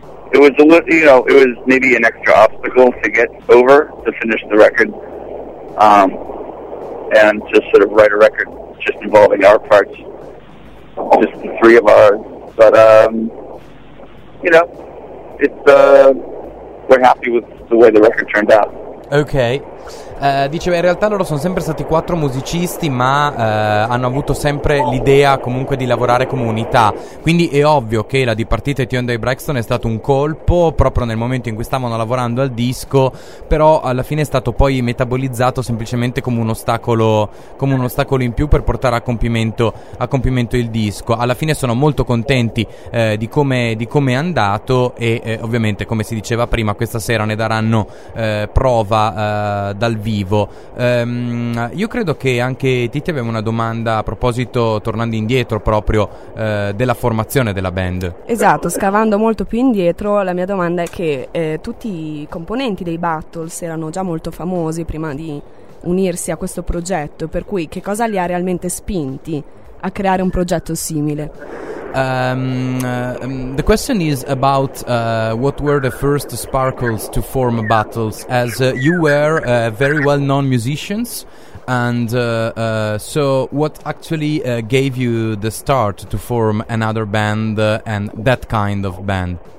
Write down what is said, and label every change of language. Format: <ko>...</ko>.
<en>It was a little, you know, it was maybe an extra obstacle to get over to finish the record, and to sort of write a record just involving our parts, just the three of ours. But you know, it's we're happy with the way the record turned out. Okay.</en> <it>Diceva, in realtà loro sono sempre stati quattro musicisti, ma hanno avuto sempre l'idea comunque di lavorare come unità, quindi è ovvio che la dipartita di Theon Dye Braxton è stato un colpo proprio nel momento in cui stavano lavorando al disco, però alla fine è stato poi metabolizzato semplicemente come un ostacolo in più per portare a compimento il disco. Alla fine sono molto contenti di come è andato, e ovviamente, come si diceva prima, questa sera ne daranno prova dal vivo. Io credo che anche Titi aveva una domanda a proposito, tornando indietro proprio, della formazione della band. Esatto, scavando molto più indietro, la mia domanda è che tutti i componenti dei Battles erano già molto famosi prima di unirsi a questo progetto, per cui che cosa li ha realmente spinti a creare un progetto simile?</it> <en>The question is about what were the first sparkles to form Battles, as you were very well-known musicians, and so what actually gave you the start to form another band, and that kind of band?</en>